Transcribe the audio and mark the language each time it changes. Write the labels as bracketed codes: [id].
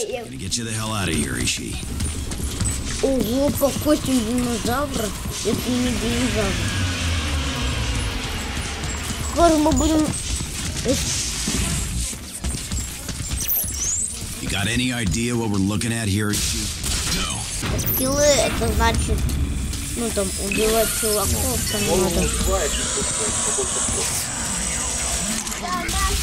[en] I'm gonna get you the hell out of here, Ishii. [ru] Ого, похоже на динозавра, если не динозавр. Скоро мы будем... [en] You got any idea what we're looking at here, Ishii? No. [ru] Скиллы, это значит... Ну там, убивать чуваков, там надо...